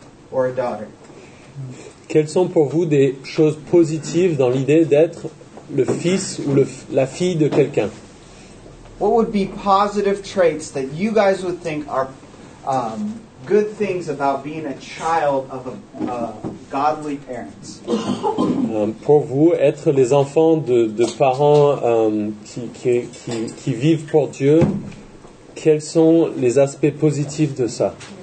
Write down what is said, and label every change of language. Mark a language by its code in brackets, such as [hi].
[en] Or a daughter. [fr] Quelles sont pour vous des choses positives dans l'idée d'être le fils ou la fille de quelqu'un? [en] What would be positive traits that you guys would think are good things about being a child of a godly parents? [fr] Pour vous, être les enfants de parents qui vivent pour Dieu, quels sont les aspects positifs de ça?